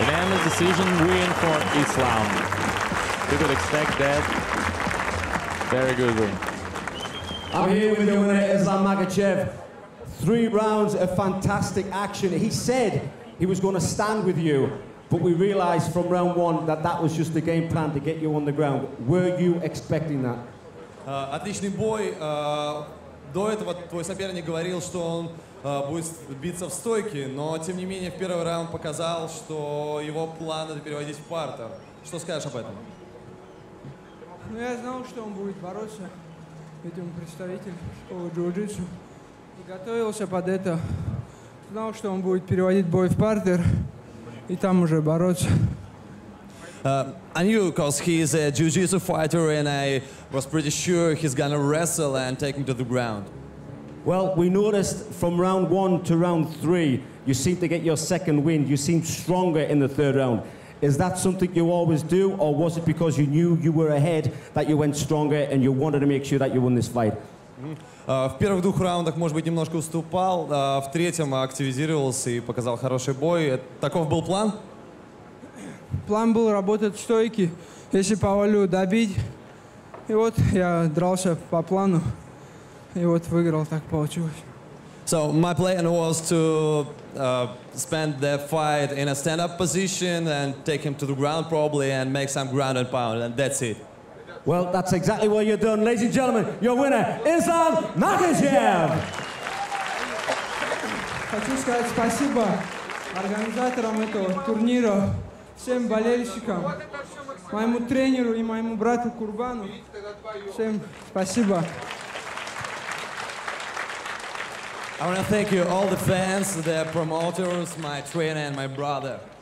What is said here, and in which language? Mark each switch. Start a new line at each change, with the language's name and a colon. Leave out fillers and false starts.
English: Unanimous decision win for Islam. You could expect that. Very good win. I'm here with the winner, Islam Makhachev. Three rounds of fantastic action. He said he was going to stand with you, but we realized from round one that that was just the game plan to get you on the ground. Were you expecting that?
Russian: Отличный бой. До этого твой соперник говорил, что он будет биться в стойке, но тем не менее в первый раунд показал, что его план это переводить в партер. Что скажешь об этом? Ну, я знал, что он будет бороться, ведь он представитель школы джиу-джитсу. И готовился под это. Знал, что он будет переводить бой в партер и там уже бороться.
English: I knew because he's a jiu-jitsu fighter and I was pretty sure he's gonna wrestle and take him to the ground. Well, we noticed from round one to round three, you seem to get your second wind. You seem stronger in the third round. Is that something you always do, or was it because you knew you were ahead that you went stronger and you wanted to make sure that you won this fight?
Russian: В первых двух раундах, может быть, немножко уступал, в третьем активизировался и показал хороший бой. Таков был план? План был работать в стойке, если повалю, добить. И вот я дрался по плану, и вот выиграл, так получилось.
English: So my plan was to spend the fight in a stand-up position and take him to the ground probably and make some ground and pound, and that's it. Well, that's exactly what you're doing. Ladies and gentlemen, your winner, Islam Makhachev!
Russian: Хочу сказать спасибо организаторам этого турнира, всем болельщикам, моему тренеру и моему брату Курбану. Всем спасибо.
English: I want to thank you, all the fans, the promoters, my trainer, and my brother.